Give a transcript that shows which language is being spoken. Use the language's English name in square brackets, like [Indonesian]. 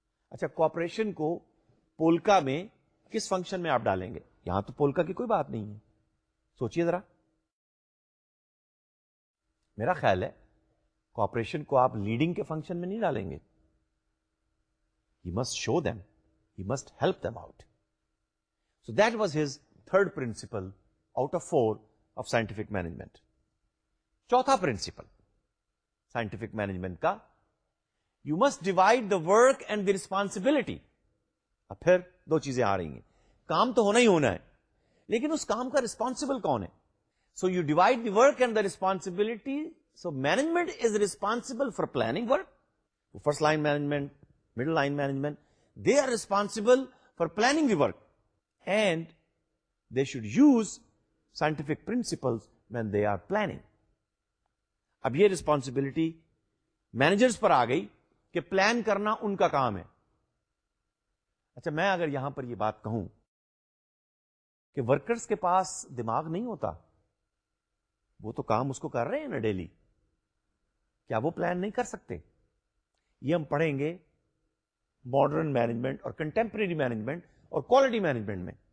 [Urdu] اچھا cooperation کو polka میں کس فنکشن میں آپ ڈالیں گے؟ یہاں تو پولکا کی کوئی بات نہیں ہے, سوچیے ذرا. میرا خیال ہے cooperation کو آپ لیڈنگ کے فنکشن میں نہیں ڈالیں گے. [English] You must show them, you must help them out. So that was his third principle out of four of scientific management. [Urdu] چوتھا [English] principle scientific management کا, you must divide the work and the responsibility. [Urdu] اب پھر دو چیزیں آ رہی ہیں, کام تو ہونا ہی ہونا ہے لیکن اس کام کا رسپانسبل کون ہے؟ [English] So you divide the work and the responsibility. So management is responsible for planning work, first line management, middle line management, they are responsible for planning the work and they should use scientific principles when they are planning. [Urdu] اب یہ responsibility managers پر آ گئی کہ plan کرنا ان کا کام ہے. اچھا میں اگر یہاں پر یہ بات کہوں کہ ورکرز کے پاس دماغ نہیں ہوتا, وہ تو کام اس کو کر رہے ہیں نا ڈیلی, کیا وہ پلان نہیں کر سکتے؟ یہ ہم پڑھیں گے ماڈرن مینجمنٹ اور کنٹمپریری مینجمنٹ اور کوالٹی مینجمنٹ میں.